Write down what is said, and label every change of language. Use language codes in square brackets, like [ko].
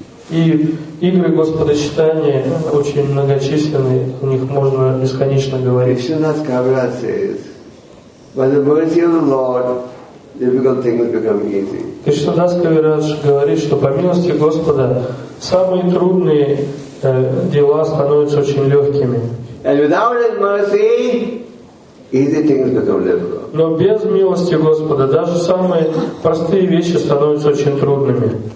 [ru] И игры Господа Читания очень многочисленные, о них можно бесконечно говорить. [en] Кришнадас Кавирад says, by the mercy of the Lord, difficult things become easy. [ru] Кришнадас Кавирад говорит, что по милости Господа самые трудные дела становятся очень легкими. [en] And without His mercy, easy things become difficult. [ru] Но без милости Господа даже самые простые вещи становятся очень трудными.